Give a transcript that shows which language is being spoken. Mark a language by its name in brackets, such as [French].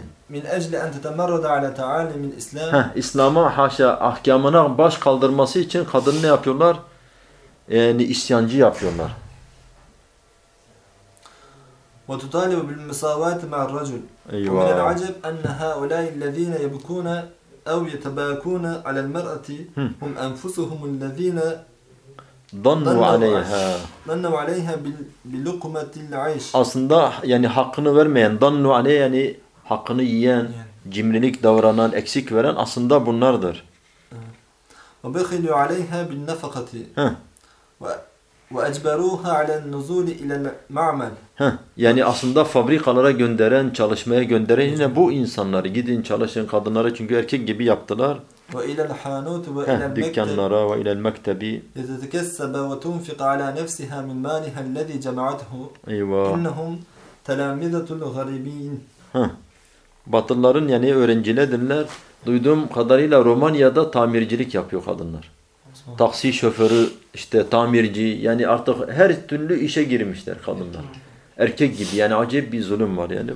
[Arabic] من أجل أن تتمرد على تعاليم الإسلام إسلاما حاشا أحكامنا [Turkish] باş kaldırması için kadın ne yapıyorlar yani isyancı yapıyorlar [Arabic] وتطالب بالمساواة مع الرجل ومن العجب أن هؤلاء الذين يبكون أو يتباكون على المرأة هم أنفسهم الذين ظنوا عليها بلقمة العيش. [Turkish] Aslında yani hakkını vermeyen [Arabic] ظنوا عليه [Turkish] yani hakkını yiyen cimrilik davranan eksik veren aslında bunlardır. [Arabic] وبخلوا عليها بالنفقة وأجبروها على النزول إلى المعمل. [Turkish] Yani aslında fabrikalara gönderen, çalışmaya gönderen yine bu insanları gidin çalışın kadınları çünkü erkek gibi yaptılar. [Arabic] وإلى الحانوت وإلى دكانlara المكتب. وإلى المكتب. لتتكسب وتنفق على نفسها من مالها الذي جمعته. إيوه. إنهم تلامذة الغريبين. [Turkish] Batılıların yani öğrencilerdirler. Duyduğum kadarıyla Romanya'da tamircilik yapıyor kadınlar. taksi şoförü, işte tamirci, yani artık her türlü işe girmişler kadınlar. Erkek gibi, yani acayip bir zulüm var yani.